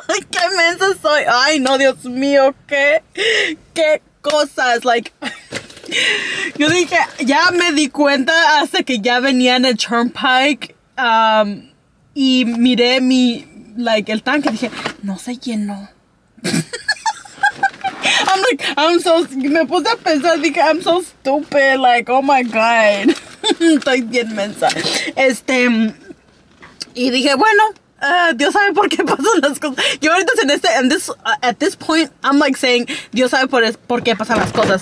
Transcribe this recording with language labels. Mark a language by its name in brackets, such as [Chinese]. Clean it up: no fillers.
[Spanish] ¡Qué mensa soy! ¡Ay, no, Dios mío! ¡Qué cosas! Like... Yo dije, ya me di cuenta hasta que ya venía en el turnpike y miré mi, like, el tanque. Dije, no se llenó. [English] I'm like, me puse a pensar, dije, I'm so stupid, like, oh my God. [Spanish] Estoy bien mensa. Y dije, bueno, Dios sabe por qué pasan las cosas. Yo ahorita en este, at this point, I'm like saying, Dios sabe por qué pasan las cosas.